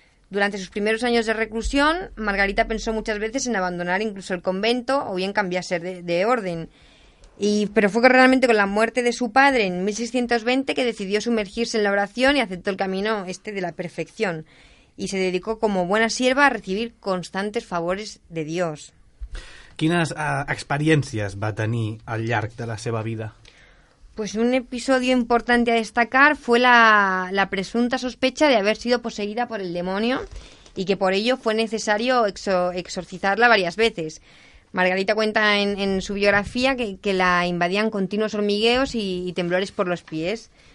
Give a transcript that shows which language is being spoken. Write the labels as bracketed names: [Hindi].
[Spanish] Durante sus primeros años de reclusión, Margarita pensó muchas veces en abandonar incluso el convento o bien cambiarse de orden. Pero fue realmente con la muerte de su padre en 1620 que decidió sumergirse en la oración y aceptó el camino este de la perfección. Y se dedicó como buena sierva a recibir constantes favores de Dios. [Catalan] ¿Quines experiències va tenir al llarg de la seva vida? [Spanish] Pues un episodio importante a destacar fue la presunta sospecha de haber sido poseída por el demonio y que por ello fue necesario exorcizarla varias veces. Margarita cuenta en su biografía que la invadían continuos hormigueos y temblores por los pies.